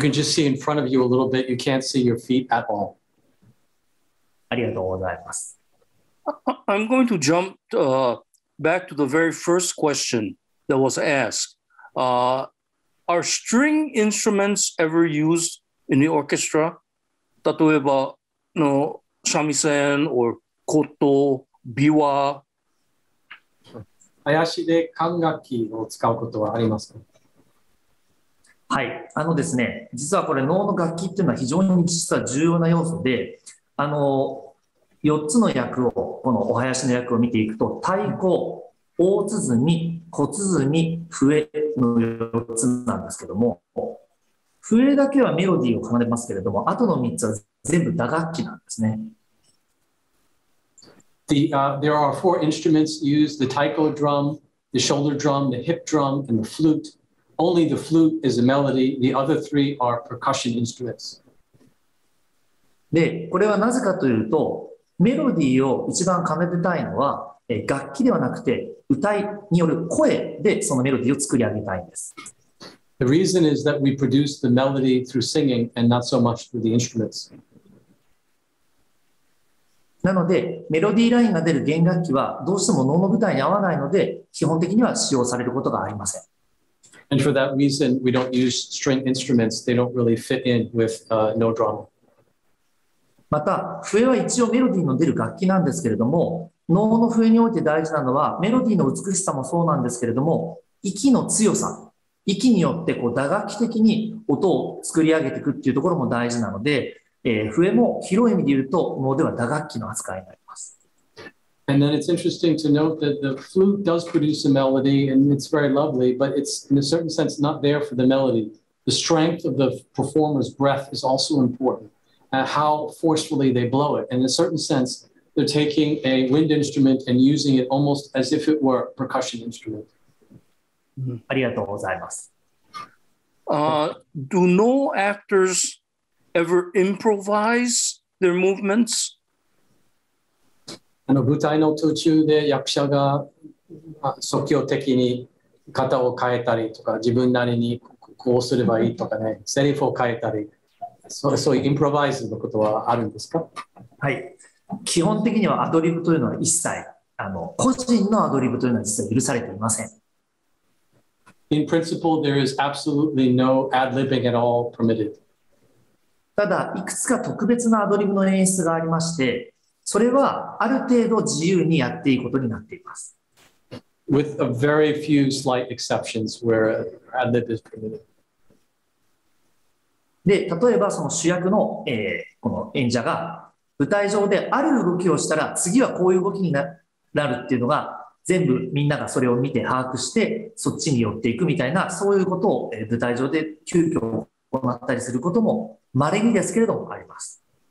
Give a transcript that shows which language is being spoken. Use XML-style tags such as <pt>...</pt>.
<en>can just see in front of you a little bit. You can't see your feet at all.</en> <ja>ありがとうございます。</ja> <en>I'm going to jump back to the very first question that was asked. Are string instruments ever used in the orchestra?</en> <ja>例えば、</ja> <en>三味線 or koto, biwa?</en> <ja>はやしで管楽器を使うことはありますか?はい、実はこれ能の楽器っていうのは非常に実は重要な要素で、4つの役を、このおはやしの役を見ていくと、太鼓、 大鼓、大鼓、笛の4つなんですけども、笛だけはメロディーを奏でますけれども、あとの3つは全部打楽器なんですね。</ja> <en>There are four instruments used, the taiko drum, the shoulder drum, the hip drum, and the flute. Only the flute is a melody. The other three are percussion instruments.</en> <ja>で、これはなぜかというと、メロディーを一番奏でたいのは、楽器ではなくて、歌いによる声でそのメロディーを作り上げたいんです。</ja> <en>The reason is that we produce the melody through singing and not so much through the instruments.</en> <ja>なので、メロディーラインが出る弦楽器はどうしても能の舞台に合わないので、基本的には使用されることがありません。</ja> <en>And for that reason, we don't use string instruments. They don't really fit in with no drama.</en> <ja>また、笛は一応メロディーの出る楽器なんですけれども、能の笛において大事なのは、メロディーの美しさもそうなんですけれども、息の強さ、息によってこう打楽器的に音を作り上げていくっていうところも大事なので、笛も広い意味で言うと、能では打楽器の扱いになります。</ja> <en>And then it's interesting to note that the flute does produce a melody and it's very lovely, but it's in a certain sense not there for the melody. The strength of the performer's breath is also important. How forcefully they blow it. And in a certain sense, they're taking a wind instrument and using it almost as if it were a percussion instrument.</en> <ja>ありがとうございます。</ja> <en>Do no actors ever improvise their movements?</en> <ja>あの舞台の途中で役者が即興的に肩を変えたりとか自分なりにこうすればいいとかね、セリフを変えたり。そういうインプロバイスのことはあるんですか？はい。基本的にはアドリブというのは一切、個人のアドリブというのは実は許されていません。 In principle, there is absolutely no ad-libbing at all permitted. ただ、いくつか特別なアドリブの演出がありまして、それはある程度自由にやっていいことになっています。 With a very few slight exceptions where ad-lib is permitted. で例えばその主役の、この演者が舞台上である動きをしたら次はこういう動きになるっていうのが全部みんながそれを見て把握してそっちに寄っていくみたいなそういうことを、舞台上で急遽行ったりすることも稀にですけれどもあります。</ja>